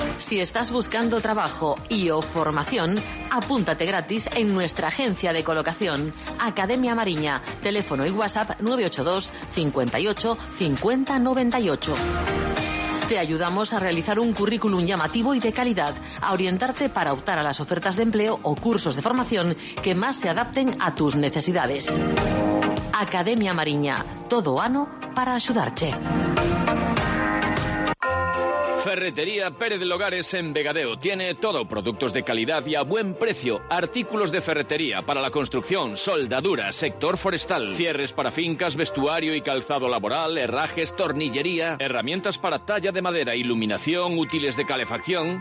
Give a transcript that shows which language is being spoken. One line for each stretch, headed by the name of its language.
Spanish: Si estás buscando trabajo y o formación, apúntate gratis en nuestra agencia de colocación, Academia Mariña. Teléfono y WhatsApp 982-58-5098. Te ayudamos a realizar un currículum llamativo y de calidad, a orientarte para optar a las ofertas de empleo o cursos de formación que más se adapten a tus necesidades.
Galician: Academia Mariña, todo ano para axudarche.
Spanish: Ferretería Pérez del Hogar en Vegadeo. Tiene todo, productos de calidad y a buen precio. Artículos de ferretería para la construcción, soldadura, sector forestal, cierres para fincas, vestuario y calzado laboral, herrajes, tornillería, herramientas para talla de madera, iluminación, útiles de calefacción.